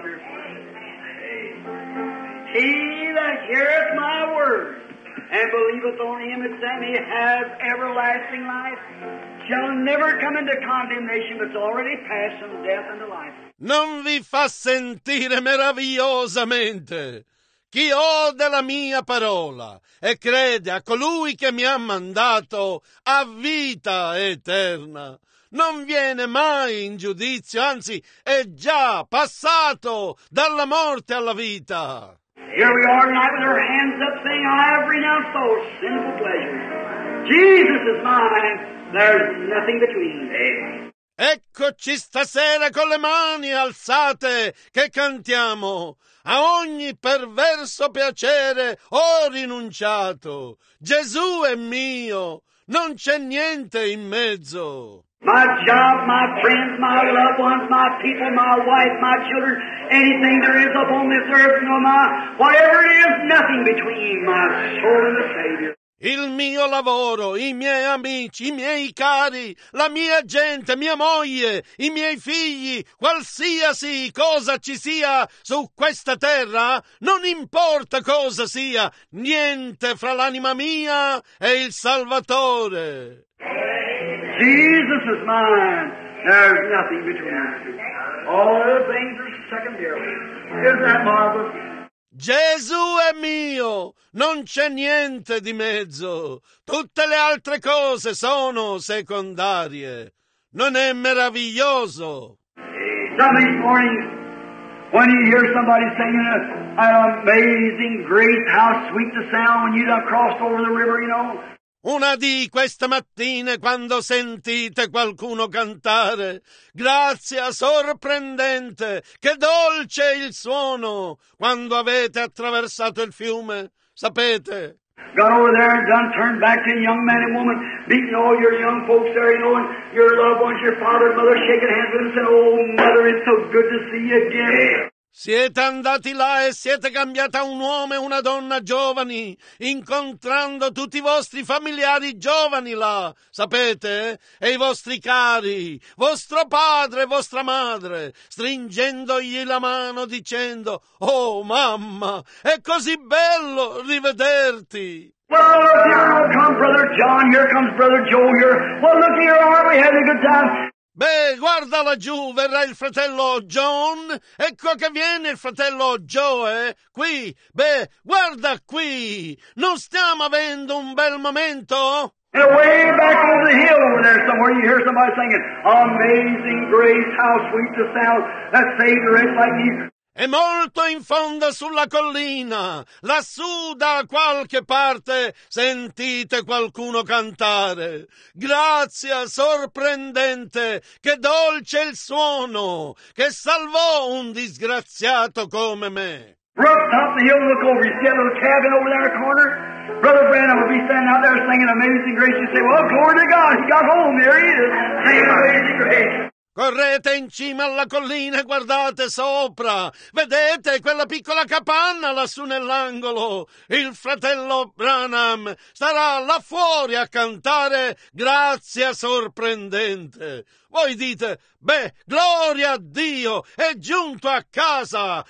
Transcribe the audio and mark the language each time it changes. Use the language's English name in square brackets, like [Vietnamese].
[English] Doesn't that make you feel wonderful? He that heareth my word and believeth on him that sent me has everlasting life, shall never come into condemnation, but's already passed from death into life. [Italian] Non vi fa sentire meravigliosamente? Chi ode la mia parola e crede a colui che mi ha mandato ha vita eterna. Non viene mai in giudizio, anzi è già passato dalla morte alla vita. [English] Here we are tonight with our hands up saying, I have renounced those sinful pleasures. Jesus is mine, there's nothing between me. [Italian] Eccoci stasera con le mani alzate che cantiamo. A ogni perverso piacere ho rinunciato. Gesù è mio, non c'è niente in mezzo. [English] My job, my friends, my loved ones, my people, my wife, my children, anything there is upon this earth, no, my, whatever it is, nothing between my soul and the Savior. [Italian] Il mio lavoro, i miei amici, i miei cari, la mia gente, mia moglie, i miei figli, qualsiasi cosa ci sia su questa terra, non importa cosa sia, niente fra l'anima mia e il Salvatore. [English] Jesus is mine. There's nothing between us. All things are secondary. Isn't that marvelous? [Italian] Gesù è mio, non c'è niente di mezzo, tutte le altre cose sono secondarie. Non è meraviglioso? [English] Somebody's morning, when you hear somebody singing an amazing grace, how sweet the sound when you done crossed over the river, you know? [Italian] Una di queste mattine, quando sentite qualcuno cantare, grazia sorprendente, che dolce il suono, quando avete attraversato il fiume, sapete? [English] Got over there and done turned back to a young man and woman, beating all your young folks there, you know, and your loved ones, your father and mother, shaking hands with them, saying, oh, mother, it's so good to see you again. [Italian] Siete andati là e siete cambiata un uomo e una donna giovani, incontrando tutti i vostri familiari giovani là, sapete? E i vostri cari, vostro padre e vostra madre, stringendogli la mano dicendo, oh mamma, è così bello rivederti! [English] Well, here comes Brother John, here comes Brother Joe, here. Well, look here, aren't we having a good time? [Italian] Beh, guarda laggiù, verrà il fratello John. Ecco che viene il fratello Joe, qui. Beh, guarda qui. Non stiamo avendo un bel momento? [English] And way back over the hill over there somewhere, you hear somebody singing, amazing grace, how sweet the sound that saved the wretch like me. [Italian] E molto in fondo sulla collina, lassù da qualche parte, sentite qualcuno cantare. Grazia sorprendente, che dolce il suono, che salvò un disgraziato come me. [English] Right top of the hill, look over, you see a little cabin over there in the corner? Brother Branham will be standing out there singing Amazing Grace. You say, well, glory to God, he got home, there he is, singing Amazing Grace. [Italian] Correte in cima alla collina e guardate sopra. Vedete quella piccola capanna lassù nell'angolo? Il fratello Branham starà là fuori a cantare grazia sorprendente. Voi dite, beh, gloria a Dio, è giunto a casa.